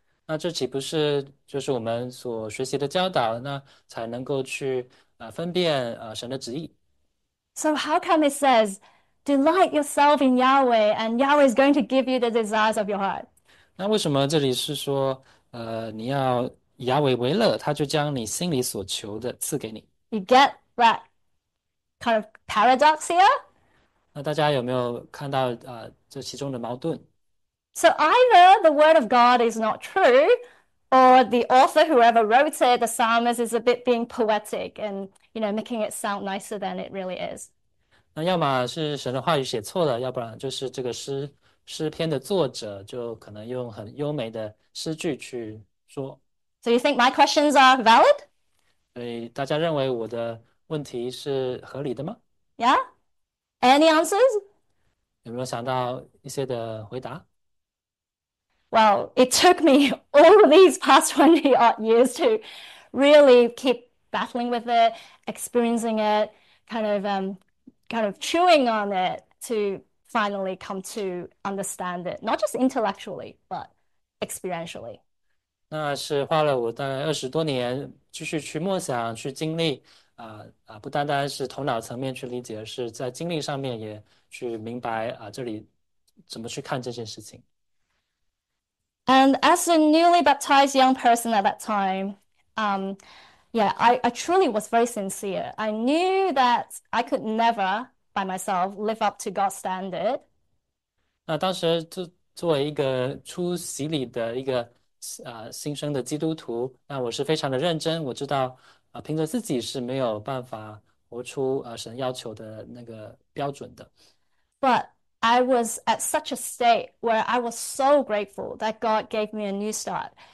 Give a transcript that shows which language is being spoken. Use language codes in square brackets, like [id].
[zh] 那这岂不是就是我们所学习的教导，那才能够去分辨神的旨意。 [en] So, how come it says, delight yourself in Yahweh, and Yahweh is going to give you the desires of your heart? [zh] 那为什么这里是说你要？以雅为乐，他就将你心里所求的赐给你。 [en] You get that kind of paradox here? [zh] 那大家有没有看到这其中的矛盾？ [en] So either the word of God is not true, or the author, whoever wrote it, the psalmist, is a bit being poetic and, making it sound nicer than it really is. [zh] 那要么是神的话语写错了，要不然就是这个诗篇的作者就可能用很优美的诗句去说。 [en] So you think my questions are valid? [zh] 所以大家认为我的问题是合理的吗？ [en] Yeah? Any answers? [zh] 有没有想到一些的回答？ [en] Well, it took me all these past 20 odd years to really keep battling with it, experiencing it, kind of chewing on it to finally come to understand it, not just intellectually, but experientially. [zh] 那是花了我大概20多年继续去默想、去经历，不单单是头脑层面去理解，而是在经历上面也去明白这里怎么去看这件事情。 [en] And as a newly baptized young person at that time, I truly was very sincere. I knew that I could never by myself live up to God's standard. [zh] 那当时作为一个出洗礼的一个。新生的基督徒，那我是非常的认真，我知道，凭着自己是没有办法活出神要求的那个标准的。 [en] But I was at such a state where I was so grateful that God gave me a new start.